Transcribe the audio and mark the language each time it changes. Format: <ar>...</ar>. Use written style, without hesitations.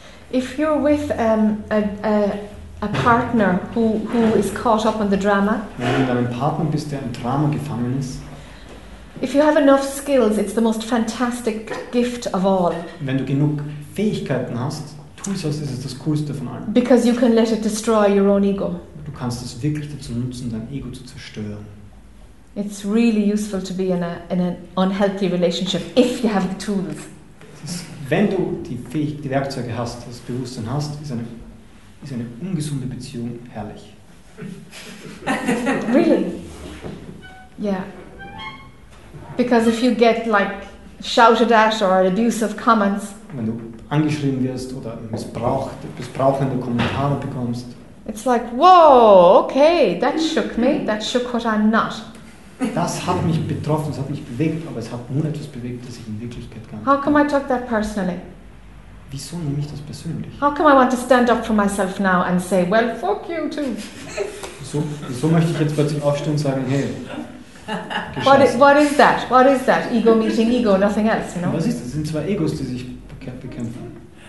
<en>If you're with a partner who is caught up in the drama.</en> <de>Wenn du mit einem Partner bist, der im Drama gefangen ist.</de> <en>If you have enough skills, it's the most fantastic gift of all.</en> <de>Wenn du genug Fähigkeiten hast, Tools hast, ist es das coolste von allen.</de> <en>Because you can let it destroy your own ego.</en> <de>Du kannst es wirklich dazu nutzen, dein Ego zu zerstören.</de> <en>It's really useful to be in an unhealthy relationship if you have the tools.</en> <de>Ist, wenn du die Werkzeuge hast, das Bewusstsein hast, ist eine ungesunde Beziehung herrlich.</de> <en>Really? Yeah. Because if you get like shouted at or abusive comments.</en> <de>Wenn du angeschrien wirst oder missbrauchende Kommentare bekommst.</de> <en>It's like, whoa, okay, that shook me, that shook what I'm not.</en> <de>Das hat mich betroffen, es hat mich bewegt, aber es hat nur etwas bewegt, das ich in Wirklichkeit gar nicht.</de> <en>How come I took that personally?</en> <de>Wieso nehme ich das persönlich?</de> <en>How come I want to stand up for myself now and say, well, fuck you too.</en> <de>So möchte ich jetzt plötzlich aufstehen und sagen, hey.</de> <en>What is that? What is that? Ego meeting ego, nothing else, you know?</en> <de>Was ist das? Das sind zwei Egos, die sich bekämpfen.</de>